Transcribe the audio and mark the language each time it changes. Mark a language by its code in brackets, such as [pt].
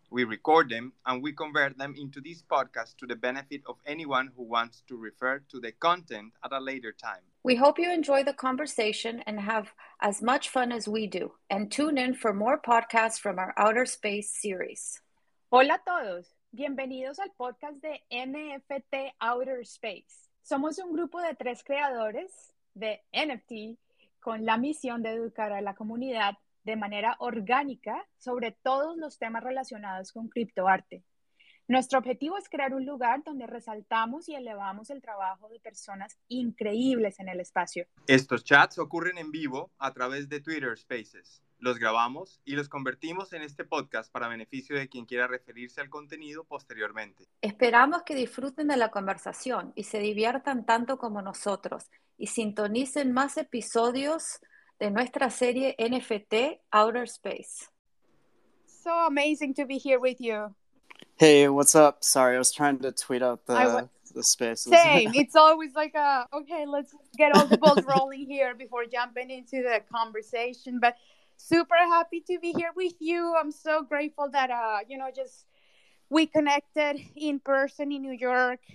[en] We record them and we convert them into this podcast to the benefit of anyone who wants to refer to the content at a later time. We hope you enjoy the conversation and have as much fun as we do. And tune in for more podcasts from our Outer Space series. [es] Hola a todos. Bienvenidos al podcast de NFT Outer Space. Somos un grupo de tres creadores de NFT con la misión de educar a la comunidad de manera orgánica sobre todos los temas relacionados con criptoarte. Nuestro objetivo es crear un lugar donde resaltamos y elevamos el trabajo de personas increíbles en el espacio. Estos chats ocurren en vivo a través de Twitter Spaces. Los grabamos y los convertimos en este podcast para beneficio de quien quiera referirse al contenido posteriormente. Esperamos que disfruten de la conversación y se diviertan tanto como nosotros y sintonicen más episodios de nuestra serie NFT Outer Space. [en] So amazing to be here with you. Hey, what's up? Sorry, I was trying to tweet out the spaces. Same. It's always like, okay, let's get all the balls rolling here before jumping into the conversation. But super happy to be here with you. I'm so grateful that, we connected in person in New York.